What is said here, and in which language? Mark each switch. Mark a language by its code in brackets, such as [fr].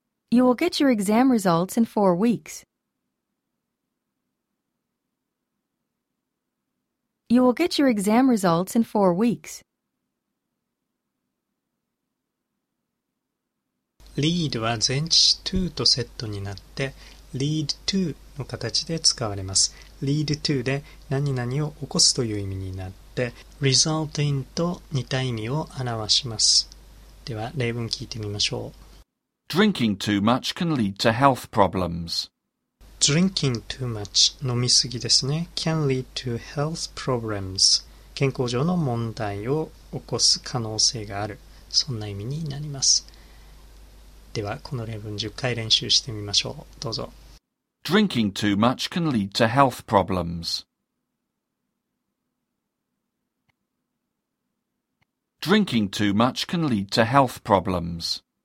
[en] You will get your exam results in 4 weeks. You will get your exam results in 4 weeks. [ja] Lead は前置詞 to とセットになって lead to の形で使われます。 lead to で何々を起こすという意味になって result in と似た意味を表します。では例文聞いてみましょう。 [en] Drinking too much can lead to health problems. [ja] Drinking too much, 飲みすぎですね。 [en] Can lead to health problems. [ja] 健康上の問題を起こす可能性がある。そんな意味になります。では、この例文10回練習してみましょう。どうぞ。 [en] Drinking too much can lead to health problems. Drinking too much can lead to health problems.